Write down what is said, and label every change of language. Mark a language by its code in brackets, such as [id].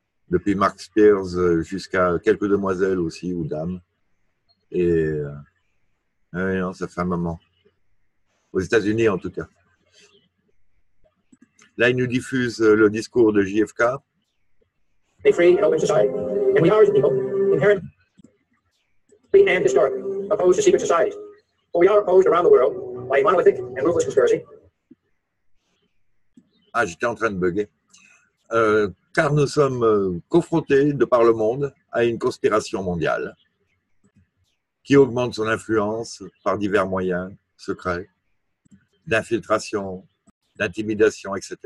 [fr] Depuis Mark Spears jusqu'à quelques demoiselles aussi, ou dames. Et non, ça fait un moment. Aux États-Unis, en tout cas. Là, il nous diffuse le discours de JFK. [en] They free and open society. And we are the people, inherently and historically, opposed to secret societies. But we are opposed around the world by a monolithic and ruthless conspiracy. [fr] Ah, j'étais en train de bugger. Car nous sommes confrontés de par le monde à une conspiration mondiale qui augmente son influence par divers moyens secrets, d'infiltration, d'intimidation, etc.